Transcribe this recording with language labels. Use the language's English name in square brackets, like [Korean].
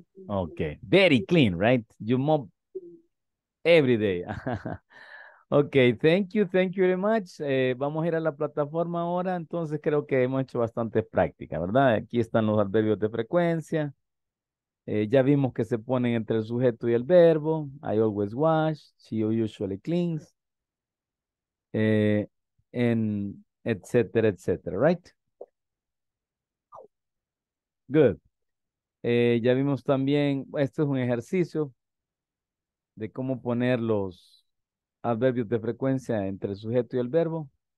[English] Okay, very clean, right? You mop every day. Okay, thank you very much. [Spanish] Vamos a ir a la plataforma ahora, entonces creo que hemos hecho bastante práctica, ¿verdad? Aquí están los adverbios de frecuencia. Ya vimos que se ponen entre el sujeto y el verbo. [English] I always wash, she usually cleans, and etcétera, etcétera, right? Good. [Spanish] Ya vimos también, esto es un ejercicio de cómo poner los adverbios de frecuencia entre el sujeto y el verbo.